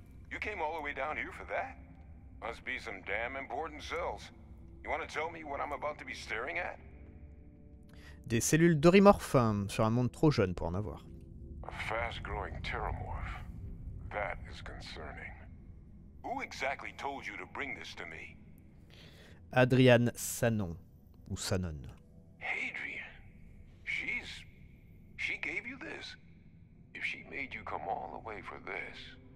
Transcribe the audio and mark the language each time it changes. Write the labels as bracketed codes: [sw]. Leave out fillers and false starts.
[en] You came all the way down here for that? Must be some damn important cells. You want to tell me what I'm about to be staring at? [fr] Des cellules d'orimorphes sur un monde trop jeune pour en avoir. [en] A fast-growing pteromorph. That is concerning. Who exactly told you to bring this to me? Adrian Sanon, ou Sanon. Adrian, she gave you this? If she made you come all the way for this.